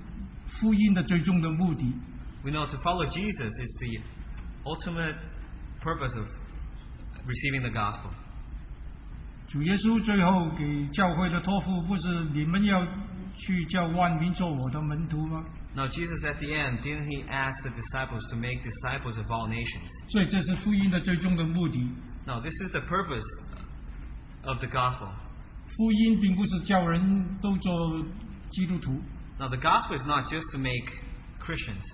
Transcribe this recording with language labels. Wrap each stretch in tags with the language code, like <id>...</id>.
<zh>但是你要知道跟随主这个就是福音的最终的目的。</zh> <en>We know to follow Jesus is the ultimate purpose of receiving the gospel.</en> <zh>主耶稣最后给教会的托付，不是你们要去叫万民做我的门徒吗？</zh> <en>Now Jesus at the end, didn't he ask the disciples to make disciples of all nations?</en> <zh>所以这是福音的最终的目的。</zh> <en>Now this is the purpose of the gospel.</en> <zh>福音并不是叫人都做基督徒。</zh> <en>Now the gospel is not just to make Christians,</en>